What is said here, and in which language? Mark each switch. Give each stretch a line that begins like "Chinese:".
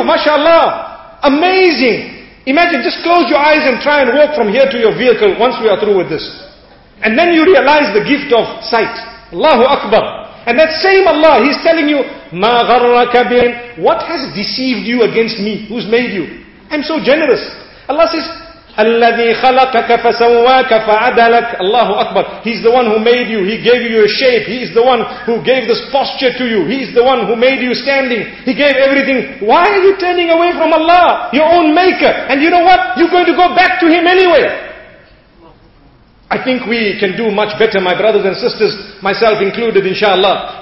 English: MashaAllah. Amazing. Imagine, just close your eyes and try and walk from here to your vehicle once we are through with this. And then you realize the gift of sight. Allahu Akbar. And that same Allah, He's telling you,
Arabic: مَا غَرَّكَ بِهِمْ.
English: What has deceived you against me? Who's made you? I'm so generous. Allah says,
Arabic: الَّذِي خَلَقَكَ فَسَوَّاكَ فَعَدَلَكَ.
English: Allahu Akbar. He's the one who made you. He gave you a shape. He is the one who gave this posture to you. He is the one who made you standing. He gave everything. Why are you turning away from Allah, your own maker? And you know what? You're going to go back to Him anyway. I think we can do much better, my brothers and sisters, myself included, inshallah.